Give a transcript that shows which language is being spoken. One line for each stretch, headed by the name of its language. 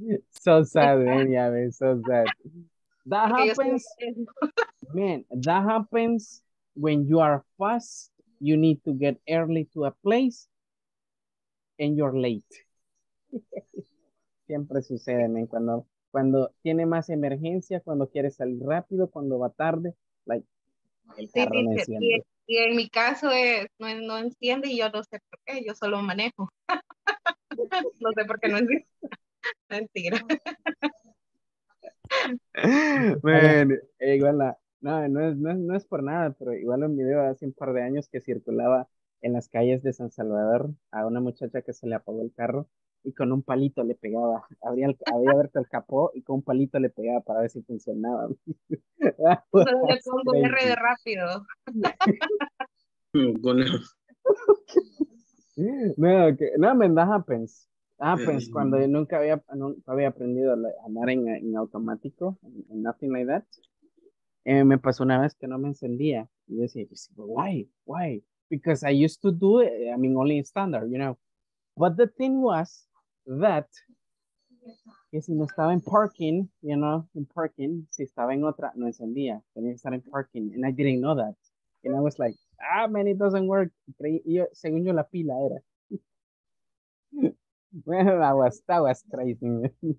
English: So sad, man. Yeah, man, so sad. That happens. Man, that happens when you are fast, you need to get early to a place, and you're late.
Spanish: Siempre sucede, man, cuando tiene más emergencia, cuando quiere salir rápido, cuando va tarde, like, el carro no enciende. Y en mi caso es, no enciende y yo no sé por qué, yo solo manejo. No sé por qué no enciende. Mentira. Bueno, igual, no es por nada, pero igual un video hace un par de años que circulaba en las calles de San Salvador a una muchacha que se le apagó el carro. Y con un palito le pegaba. Había abierto el capó y con un palito le pegaba para ver si funcionaba. Solo le pongo R de rápido.
English: No, man, that happens.
Spanish: Cuando yo nunca había aprendido a andar en automático, en
English: nothing like that.
Spanish: Me pasó una vez que no me encendía. Y yo decía,
English: why? Because I used to do it, I mean, only in standard, you know. But the thing was, that,
Spanish: que si no estaba en parking,
English: you know, in parking,
Spanish: si estaba en otra, no encendía, tenía que estar en parking,
English: and I didn't know that, and I was like, ah, man, it doesn't work,
Spanish: según yo la pila era,
English: well, that was crazy, man.